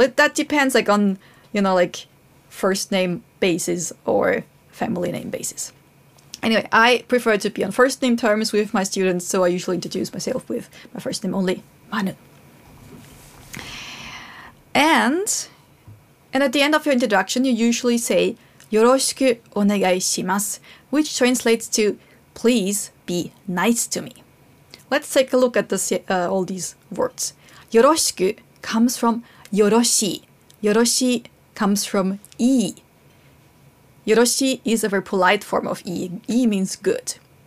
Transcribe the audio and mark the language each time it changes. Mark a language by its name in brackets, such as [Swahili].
[English] That depends, like, on, you know, like, first name basis or family name basis. Anyway, I prefer to be on first name terms with my students, so I usually introduce myself with my first name only, Manu. And at the end of your introduction, you usually say, [Japanese] よろしくお願いします, [English] which translates to, please be nice to me. Let's take a look at all these words. よろしく comes from よろしい.よろしい comes from いい. よろしい is a very polite form of いい.いい means good.